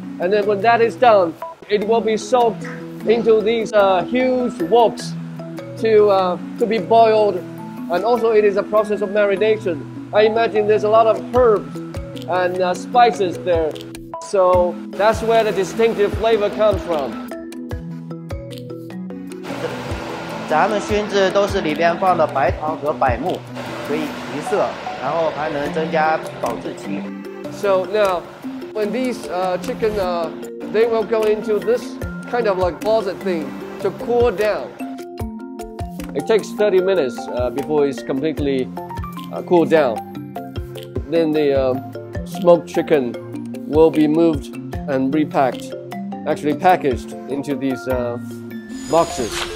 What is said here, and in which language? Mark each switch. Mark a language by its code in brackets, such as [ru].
[en] And then when that is done, it will be soaked into these huge woks to be boiled. And also it is a process of marination. I imagine there's a lot of herbs and spices there. So that's where the distinctive flavor comes from. [zh] 咱们熏制都是里边放的白糖和百木，可以提色，然后还能增加保质期。 [en] So now, when these chicken, they will go into this kind of like closet thing to cool down. It takes 30 minutes before it's completely cooled down. Then the smoked chicken will be moved and repacked, actually packaged into these boxes.